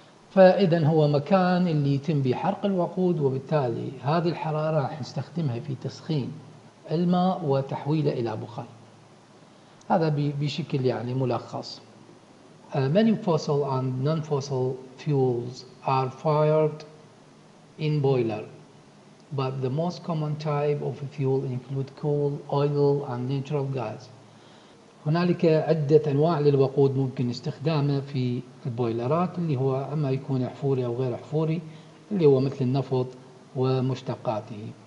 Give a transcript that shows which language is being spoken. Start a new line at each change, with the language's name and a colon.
Arabic: فإذا هو مكان اللي يتم به حرق الوقود، وبالتالي هذه الحرارة راح نستخدمها في تسخين الماء وتحويله إلى بخار. هذا بشكل يعني ملخص.
English: Many fossil and non-fossil fuels are fired in boiler, but the most common type of fuel include coal, oil, and natural gas.
Arabic: هنالك عدة أنواع للوقود ممكن استخدامه في البويلرات، اللي هو أما يكون أحفوري أو غير أحفوري، اللي هو مثل النفط ومشتقاته.